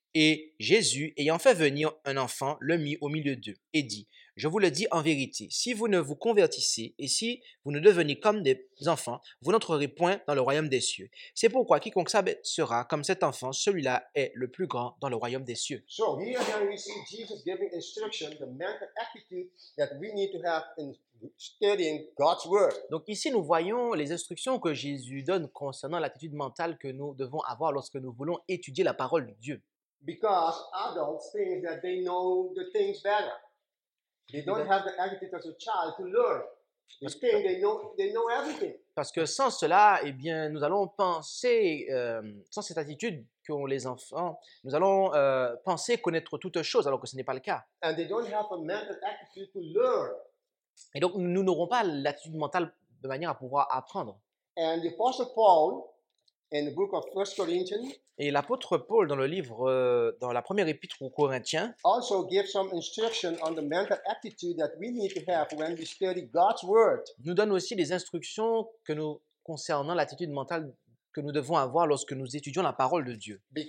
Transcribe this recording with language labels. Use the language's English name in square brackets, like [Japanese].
[French] Et Jésus, ayant fait venir un enfant, le mit au milieu d'eux et dit, je vous le dis en vérité, si vous ne vous convertissez et si vous ne devenez comme des enfants, vous n'entrerez point dans le royaume des cieux. C'est pourquoi quiconque sera comme cet enfant, celui-là est le plus grand dans le royaume des cieux. [English] So, here again we see Jesus giving instruction, the mental attitude that we need to have in studying God's word. [French] Donc ici nous voyons les instructions que Jésus donne concernant l'attitude mentale que nous devons avoir lorsque nous voulons étudier la parole de Dieu. [English] Because adults think that they know the things better. They don't have the attitude as a child to learn. They know everything. [French] Parce que sans cela, eh bien, nous allons penser sans cette attitude qu'ont les enfants, nous allons penser connaître toute chose alors que ce n'est pas le cas. [English] And they don't have a mental attitude to learn. [French] Et donc nous n'aurons pas l'attitude mentale de manière à pouvoir apprendre. [English] And the Apostle Paul in the book of 1 Corinthians. [French] Et l'apôtre Paul dans le livre dans la première épître aux Corinthiens [English] also give some instruction on the mental attitude that we need to have when we study God's word. [French] Nous donne aussi des instructions que nous concernant l'attitude mentale que nous devons avoir lorsque nous étudions la parole de Dieu.